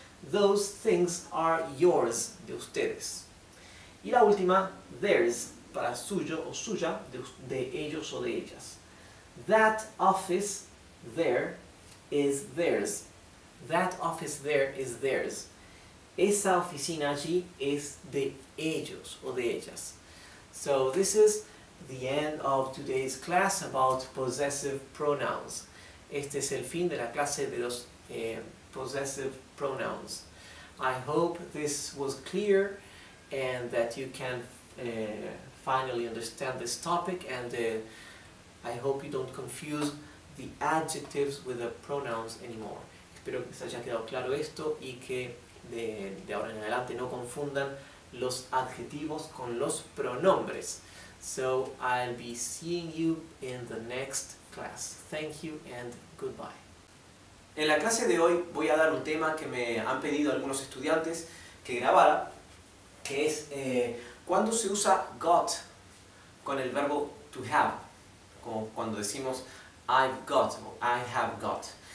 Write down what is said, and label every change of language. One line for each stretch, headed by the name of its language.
English: Those things are yours,
Spanish: de ustedes. Y la última, theirs, para suyo o suya, de ellos o de ellas.
English: That office there is theirs. That office there is theirs.
Spanish: Esa oficina allí es de ellos o de ellas.
English: So this is the end of today's class about possessive pronouns.
Spanish: Este es el fin de la clase de los possessive pronouns.
English: I hope this was clear and that you can finally understand this topic, and I hope you don't confuse the adjectives with the pronouns anymore.
Spanish: Espero que se haya quedado claro esto y que de ahora en adelante no confundan los adjetivos con los pronombres.
English: So I'll be seeing you in the next class. Thank you and goodbye.
Spanish: En la clase de hoy voy a dar un tema que me han pedido algunos estudiantes que grabara, que es cuando se usa got con el verbo to have, como cuando decimos I've got o I have got.